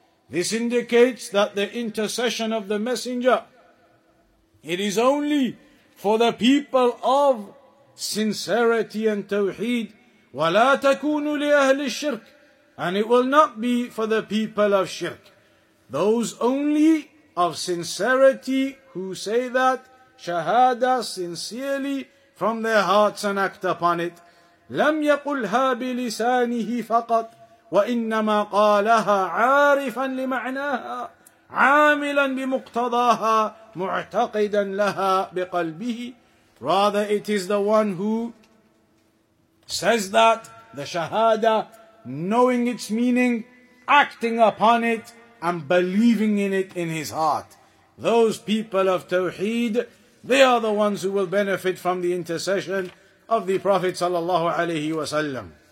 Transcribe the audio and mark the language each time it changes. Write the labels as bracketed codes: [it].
[en] This indicates that the intercession of the Messenger, it is only for the people of sincerity and tawheed. [ar] ولا تكون لأهل الشرك, [en] and it will not be for the people of shirk. Those only of sincerity who say that shahada sincerely from their hearts and act upon it. [ar] لم يقلها بلسانه فقط وإنما قالها عارفا لمعناها عاملا بمقتضاها معتقدا لها بقلبه. [en] Rather it is the one who says that, the shahada, knowing its meaning, acting upon it and believing in it in his heart. Those people of tawheed, they are the ones who will benefit from the intercession of the Prophet sallallahu alayhi wa sallam.